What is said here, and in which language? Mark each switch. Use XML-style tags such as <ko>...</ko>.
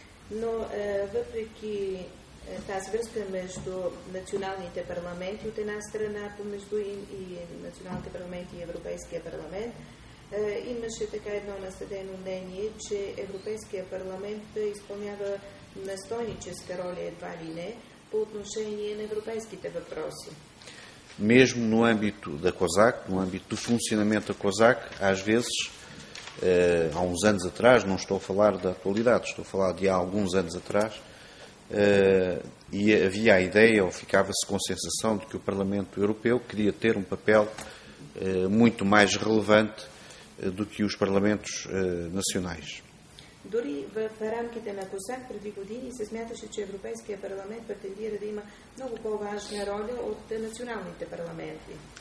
<bg>Но въпреки тази връзка между националните парламенти от една страна, помежду им и националните парламенти и Европейския парламент, имаше така едно наследено мнение, че Европейския парламент изпълнява настойническа роля едва ли не по отношение на европейските въпроси.</bg> <pt>Mesmo no âmbito da COSAC, no âmbito do funcionamento da COSAC, às vezes, há uns anos atrás, não estou a falar da atualidade, estou a falar de há alguns anos atrás, e havia a ideia, ou ficava-se com a sensação, de que o Parlamento Europeu queria ter um papel muito mais relevante do que os Parlamentos nacionais.</pt> <bg>Дори в рамките на COSAC преди години се смяташе, че Европейския парламент претендира да има много по-важна роля от националните парламенти.</bg>